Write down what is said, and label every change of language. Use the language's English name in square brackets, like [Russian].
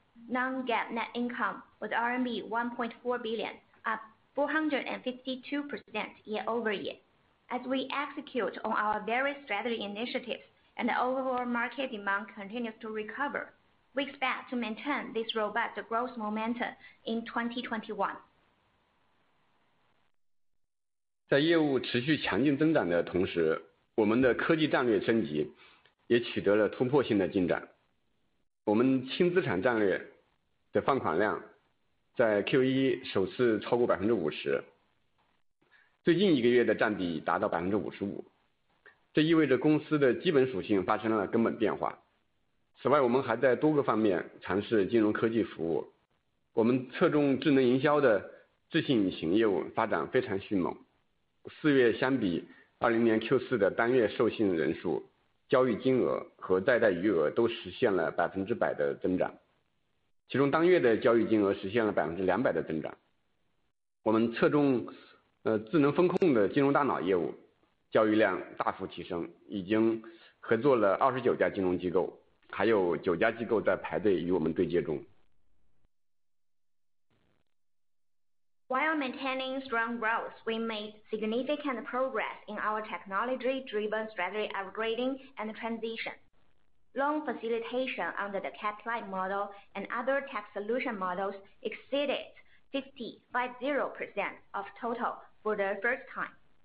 [English] Non-GAAP net income was RMB 1.4 billion, up 452% year over year. As we execute on our various strategy initiatives and the overall market demand continues to recover, we expect to maintain this robust growth momentum in 2021. [Chinese] 在业务持续强劲增长的同时，我们的科技战略升级也取得了突破性的进展。我们轻资产战略的放款量在 Q1 首次超过50%。最近一个月的占比达到55%，这意味着公司的基本属性发生了根本变化。此外，我们还在多个方面尝试金融科技服务。我们侧重智能营销的智信引擎业务发展非常迅猛。四月相比20年 Q4 的单月授信人数、交易金额和再贷余额都实现了100%的增长，其中当月的交易金额实现了200%的增长。我们侧重智能风控的金融大脑业务，交易量大幅提升，已经合作了29家金融机构，还有9家机构在排队与我们对接中。 [English] While maintaining strong growth, we made significant progress in our technology-driven strategy upgrading and transition. Loan facilitation under the capital model and other tech solution models exceeded 50% of total. For the first time.